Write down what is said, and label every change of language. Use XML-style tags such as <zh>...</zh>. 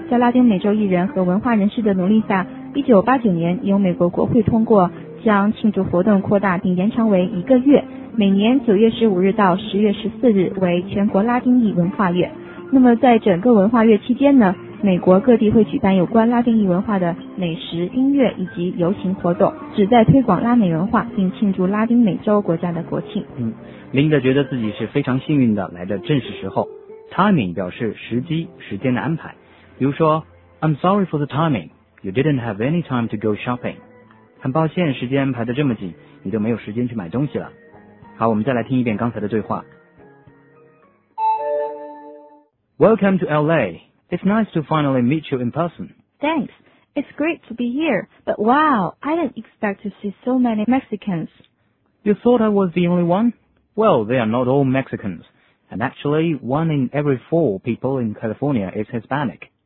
<zh>在拉丁美洲裔人和文化人士的努力下，1989年由美国国会通过将庆祝活动扩大并延长为一个月，每年9月15日到10月14日为全国拉丁裔文化月。那么在整个文化月期间呢，美国各地会举办有关拉丁裔文化的美食、音乐以及游行活动，旨在推广拉美文化并庆祝拉丁美洲国家的国庆。嗯，林德觉得自己是非常幸运的，来的正是时候。</zh> <en>Timing</en> <zh>表示时机、时间的安排，比如说</zh> <en>I'm sorry for the timing, you didn't have any time to go shopping.</en> <zh>很抱歉时间安排的这么紧，你都没有时间去买东西了。好，我们再来听一遍刚才的对话。</zh> <en>Welcome to LA. It's nice to finally meet you in person. Thanks. It's great to be here. But wow, I didn't expect to see so many Mexicans. You thought I was the only one? Well, they are not all Mexicans. And actually, 1 in every 4 people in California is Hispanic.</en>